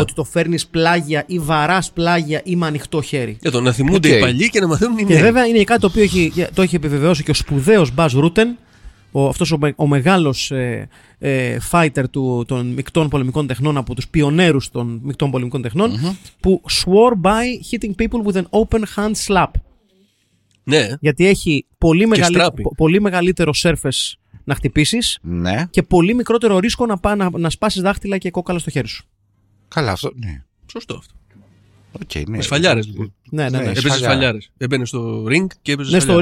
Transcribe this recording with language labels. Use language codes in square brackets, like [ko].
[el] Ότι το φέρνεις πλάγια ή βαράς πλάγια ή με ανοιχτό χέρι. Για το να θυμούνται οι παλιοί και να μαθαίνουν οι νέοι. Και βέβαια είναι κάτι το οποίο το έχει επιβεβαιώσει και ο σπουδαίος Buzz Rutten, αυτός ο μεγάλος fighter των μεικτών πολεμικών τεχνών, από τους πιονέρους των μεικτών πολεμικών τεχνών, mm-hmm. που [en] swore by hitting people with an open hand slap. [el] Ναι. Γιατί έχει πολύ, πολύ μεγαλύτερο surface να χτυπήσεις, ναι. και πολύ μικρότερο ρίσκο να σπάσεις δάχτυλα και κόκαλα στο χέρι σου. Καλά αυτό, ναι. Σωστό αυτό. Okay, ναι. Σφαλιάρες λοιπόν. Ναι. Έπαιζε σφαλιάρες. Έμπαινε στο ring και έπαιζε σφαλιάρες.